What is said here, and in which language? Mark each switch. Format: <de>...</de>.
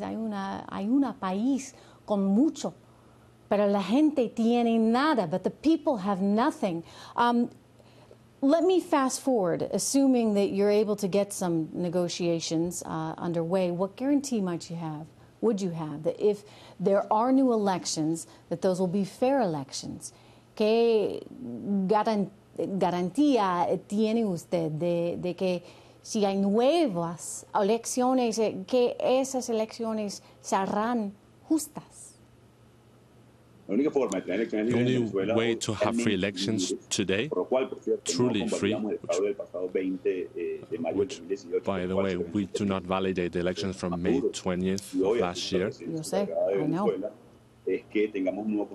<es>Hay una país con mucho, pero la gente tiene nada,</es> <en>but the people have nothing. Let me fast forward, assuming that you're able to get some negotiations underway. What guarantee might you have, would you have, that if there are new elections, that those will be fair elections?</en> <es>¿Qué garantía? ¿Garantía tiene usted de que si hay nuevas elecciones, que esas elecciones serán justas?</es> <en>The only way to have free elections today, truly free, which, by the way, we do not validate the elections from May 20th of last year.</en> <es>Yo sé,</es> <en>I know.</en>